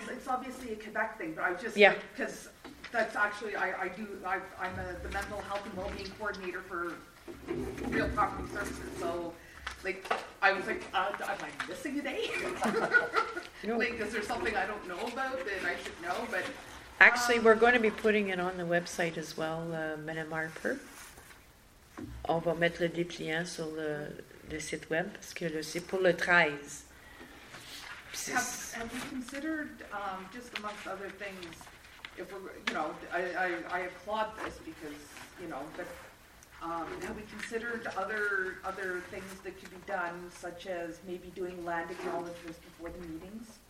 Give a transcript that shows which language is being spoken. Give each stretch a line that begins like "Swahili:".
English: It's obviously a Quebec thing, but I just, because that's actually, I'm the mental health and well-being coordinator for Real Property Services, so, am I missing a day? is there something I don't know about that I should know? But actually, we're going to be putting it on the website as well, Madame Harper.
French: On va mettre le dépliant sur le site web, parce que c'est pour le 13.
English: Have we considered, just amongst other things, if we're, you know, I applaud this because, you know, but have we considered other things that could be done, such as maybe doing land acknowledgements before the meetings?